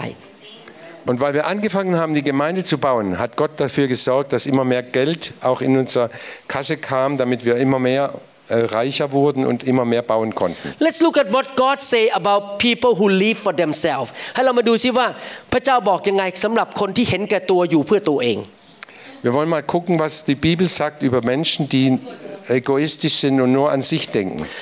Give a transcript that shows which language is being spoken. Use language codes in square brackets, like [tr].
[de] Und weil wir angefangen haben, die Gemeinde zu bauen, hat Gott dafür gesorgt, dass immer mehr Geld auch in unsere Kasse kam, damit wir immer mehr reicher wurden und immer mehr bauen konnten. [en] Let's look at what God say about people who live for themselves. [th] ให้เรามาดูซิว่าพระเจ้าบอกยังไงสำหรับคนที่เห็นแก่ตัวอยู่เพื่อตัวเอง [de] Wir wollen mal gucken, was die Bibel sagt über Menschen, die egoistisch sind und nur an sich denken.